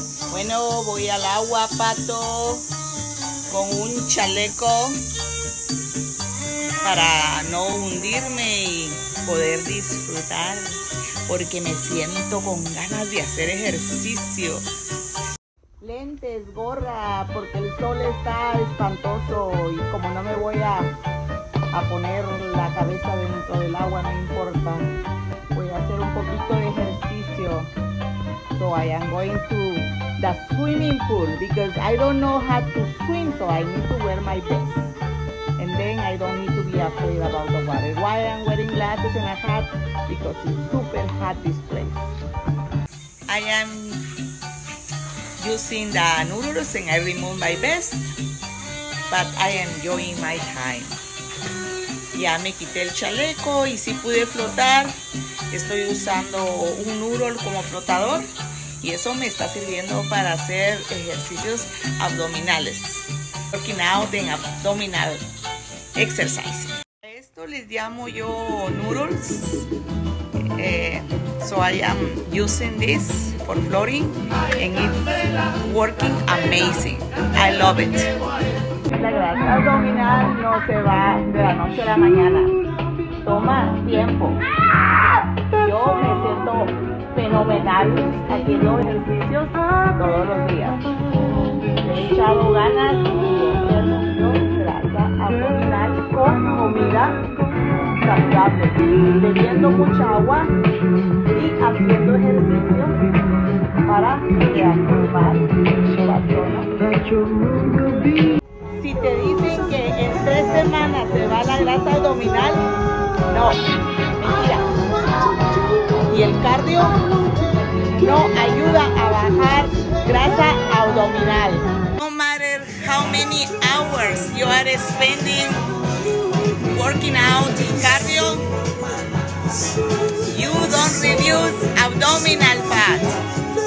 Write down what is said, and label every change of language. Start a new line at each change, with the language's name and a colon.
Spanish: Bueno, voy al agua, pato, con un chaleco para no hundirme y poder disfrutar, porque me siento con ganas de hacer ejercicio. Lentes, gorra, porque el sol está espantoso y como no me voy a poner la cabeza dentro del agua, no importa. Voy a hacer un poquito de ejercicio.
English: So I am going to the swimming pool because I don't know how to swim, so I need to wear my best. And then I don't need to be afraid about the water. Why I'm wearing glasses and a hat? Because it's super hot this place. I am using the noodles and I remove my best, but I am enjoying my time.
Spanish: Ya me quité el chaleco y sí pude flotar. Estoy usando un noodle como flotador y eso me está sirviendo para hacer ejercicios abdominales.
English: Working out and abdominal exercise.
Spanish: A esto les llamo yo noodles.
English: So I am using this for flooring and it's working amazing. I love it.
Spanish: La grasa abdominal no se va de la noche a la mañana. Toma tiempo. Yo me siento fenomenal haciendo ejercicios todos los días. He echado ganas de grasa abdominal con comida saludable, bebiendo mucha agua y haciendo ejercicio para reactivar la zona. Si te dicen que en 3 semanas se va la grasa abdominal, no, mentira. Y el cardio no ayuda a bajar grasa abdominal.
English: No matter how many hours you are spending working out in cardio, you don't reduce abdominal fat.